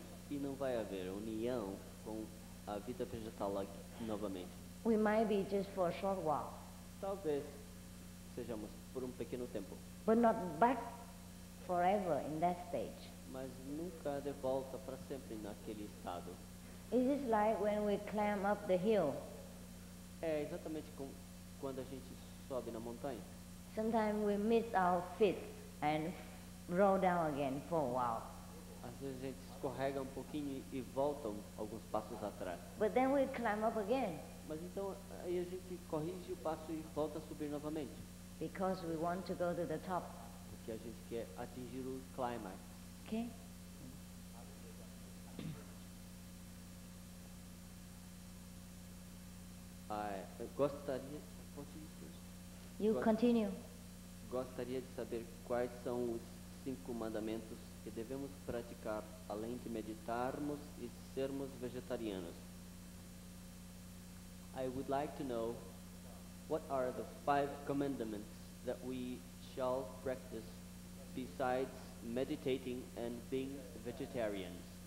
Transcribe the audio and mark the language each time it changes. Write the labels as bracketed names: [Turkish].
[Portuguese] E não vai haver união com a vida vegetal novamente. [English] We might be just for a short while. [Portuguese] Talvez sejamos por pequeno tempo. [English] But not back forever in that stage. [Portuguese] Mas nunca de volta para sempre naquele estado. [English] Is this like when we climb up the hill? [Portuguese] É exatamente como quando a gente sobe na montanha. [English] Sometimes we miss our feet and roll down again for a while. [Portuguese] Às vezes a gente escorrega pouquinho e volta alguns passos atrás. [English] But then we climb up again. [Portuguese] Mas então aí a gente corrige o passo e volta a subir novamente. [English] Because we want to go to the top. [Portuguese] Porque a gente quer atingir o climax. [English] Okay. I gostaria. What is this? You continue. [Portuguese] Gostaria de saber quais são os 5 mandamentos que devemos praticar além de meditarmos e sermos vegetarianos. [English] I would like to know what are the 5 commandments that we shall practice besides meditating and being vegetarians.